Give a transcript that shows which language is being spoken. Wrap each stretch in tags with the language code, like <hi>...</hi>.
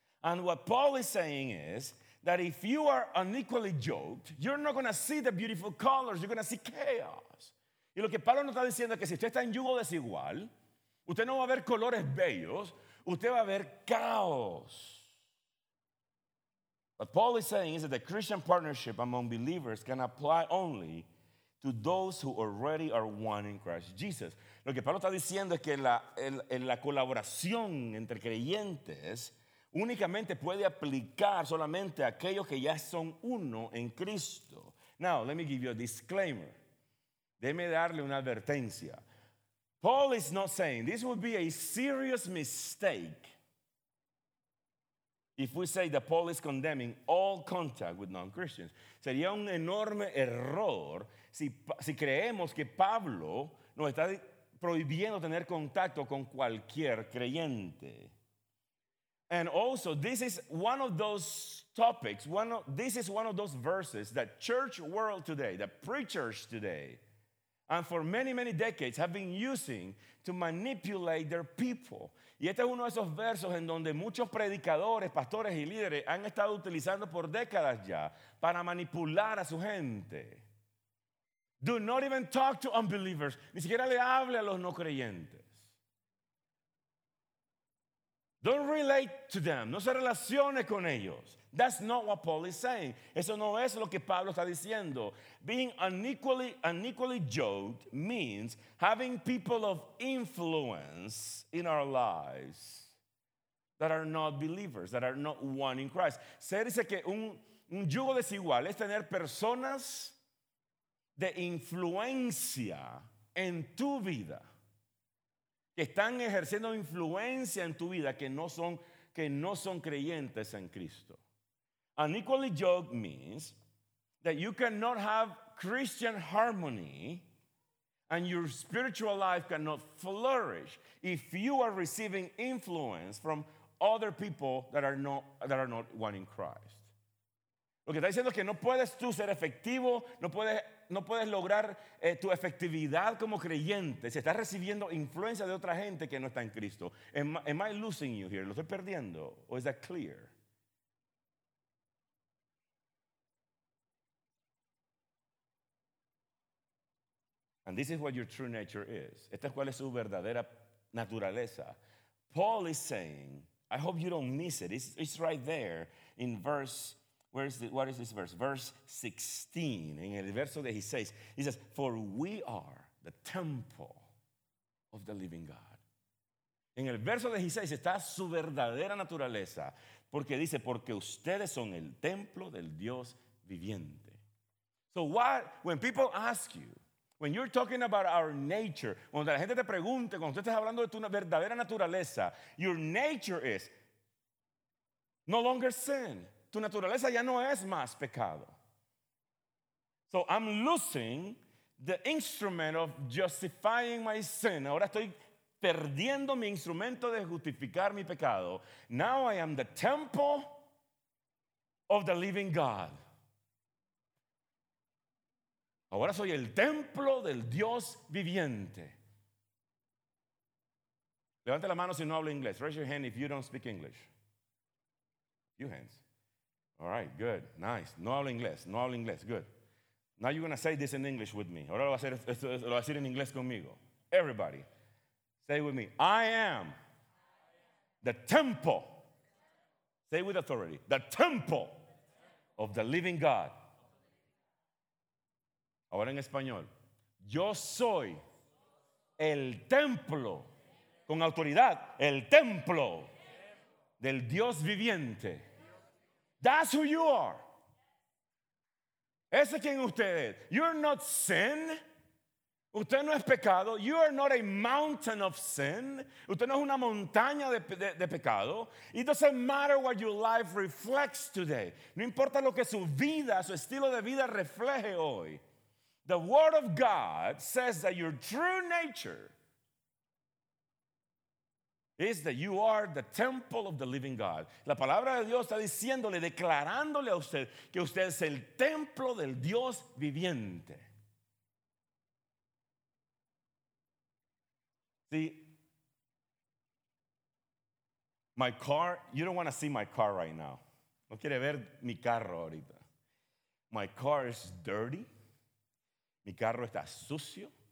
<en>And what Paul is saying is that if you are unequally yoked, you're not going to see the beautiful colors. You're going to see chaos.</en> <es>Y lo que Pablo nos está diciendo es que si usted está en yugo desigual, usted no va a ver colores bellos, usted va a ver caos.</es> <en>What Paul is saying is that the Christian partnership among believers can apply only to those who already are one in Christ Jesus.</en> <es>Lo que Pablo está diciendo es que la colaboración entre creyentes únicamente puede aplicar solamente a aquellos que ya son uno en Cristo.</es> <en>Now, let me give you a disclaimer.</en> <es>Déjeme darle una advertencia.</es> <en>Paul is not saying this would be a serious mistake if we say that Paul is condemning all contact with non-Christians.</en> <es>Sería un enorme error si creemos que Pablo nos está prohibiendo tener contacto con cualquier creyente.</es> <en>And also, this is one of those topics, this is one of those verses that church world today, that preachers today, and for many, many decades have been using to manipulate their people.</en> <es>Y este es uno de esos versos en donde muchos predicadores, pastores y líderes han estado utilizando por décadas ya para manipular a su gente.</es> <en>Do not even talk to unbelievers.</en> <es>Ni siquiera le hable a los no creyentes.</es> <en>Don't relate to them.</en> <es>No se relacione con ellos.</es> <en>That's not what Paul is saying.</en> <es>Eso no es lo que Pablo está diciendo.</es> <en>Being unequally yoked means having people of influence in our lives that are not believers, that are not one in Christ.</en> <es>Se dice que un yugo desigual es tener personas de influencia en tu vida, que están ejerciendo influencia en tu vida, que no son creyentes en Cristo.</es> <en>Unequally yoked means that you cannot have Christian harmony and your spiritual life cannot flourish if you are receiving influence from other people that are not one in Christ.</en> <es>Lo que está diciendo es que no puedes tú ser efectivo, no puedes lograr tu efectividad como creyente si estás recibiendo influencia de otra gente que no está en Cristo.</es> <en>Am I losing you here?</en> <es>¿Lo estoy perdiendo? ¿O</es> <en>is that clear? And this is what your true nature is.</en> <es>Esta es cuál es su verdadera naturaleza.</es> <en>Paul is saying, I hope you don't miss it. It's right there in verse, where is it? What is this verse? Verse 16,</en> <es>en el verso 16.</es> <en>He says, for we are the temple of the living God.</en> <es>En el verso 16 está su verdadera naturaleza, porque dice, porque ustedes son el templo del Dios viviente.</es> <en>So what, when people ask you, when you're talking about our nature,</en> <es>cuando la gente te pregunte, cuando tú estás hablando de tu verdadera naturaleza,</es> <en>your nature is no longer sin.</en> <es>Tu naturaleza ya no es más pecado.</es> <en>So I'm losing the instrument of justifying my sin.</en> <es>Ahora estoy perdiendo mi instrumento de justificar mi pecado.</es> <en>Now I am the temple of the living God.</en> <es>Ahora soy el templo del Dios viviente. Levante la mano si no hablo inglés.</es> <en>Raise your hand if you don't speak English. Few hands. All right, good, nice.</en> <es>No hablo inglés, no hablo inglés,</es> <en>good. Now you're going to say this in English with me.</en> <es>Ahora lo va a decir en inglés conmigo.</es> <en>Everybody, say it with me. I am the temple. Say it with authority. The temple of the living God.</en> <es>Ahora en español, yo soy el templo, con autoridad, el templo del Dios viviente.</es> <en>That's who you are.</en> <es>Ese es quien usted es.</es> <en>You're not sin.</en> <es>Usted no es pecado.</es> <en>You are not a mountain of sin.</en> <es>Usted no es una montaña de pecado.</es> <en>It doesn't matter what your life reflects today.</en> <es>No importa lo que su vida, su estilo de vida refleje hoy.</es> <en>The word of God says that your true nature is that you are the temple of the living God.</en> <es>La palabra de Dios está diciéndole, declarándole a usted que usted es el templo del Dios viviente.</es> <en>See, my car, you don't want to see my car right now.</en> <es>No quiere ver mi carro ahorita.</es> <en>My car is dirty.</en> <es>Mi carro está sucio.</es>